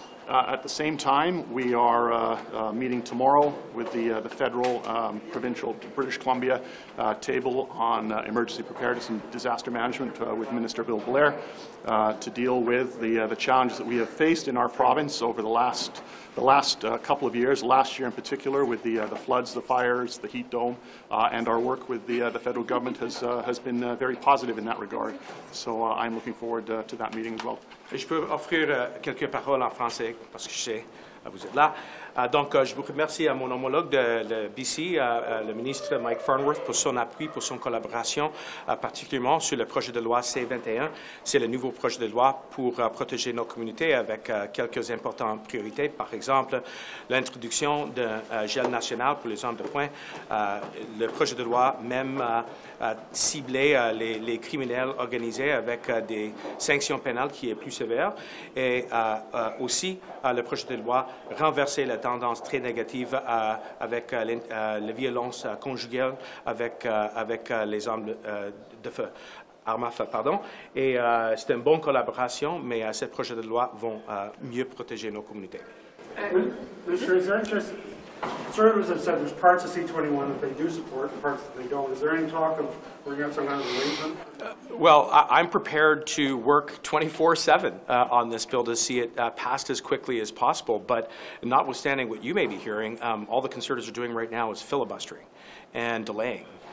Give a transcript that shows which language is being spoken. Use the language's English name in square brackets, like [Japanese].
[English] At the same time, we are meeting tomorrow with the federal, provincial, British Columbia table on emergency preparedness and disaster management with Minister Bill Blair to deal with the challenges that we have faced in our province over the last couple of years, last year in particular, with the floods, the fires, the heat dome, and our work with the federal government has been very positive in that regard. So I'm looking forward to that meeting as well. [French] Je peux offrir quelques paroles en français parce que je sais vous êtes là. Donc, je vous remercie à mon homologue de BC, le ministre Mike Farnworth, pour son appui, pour son collaboration, particulièrement sur le projet de loi C-21. C'est le nouveau projet de loi pour protéger nos communautés avec quelques importantes priorités, par exemple, l'introduction d'un gel national pour les armes de poing, le projet de loi même ciblé les criminels organisés avec des sanctions pénales qui est plus sévères, et aussi le projet de loi renverser la tendance très négative avec la violence conjugale avec les armes de feu, armes à feu, pardon. Et c'est une bonne collaboration, mais ces projets de loi vont mieux protéger nos communautés. [English] Conservatives have said there's parts of C-21 that they do support and parts that they don't. Is there any talk of bringing up some kind of arrangement? Well, I'm prepared to work 24/7 on this bill to see it passed as quickly as possible. But notwithstanding what you may be hearing, all the Conservatives are doing right now is filibustering and delaying.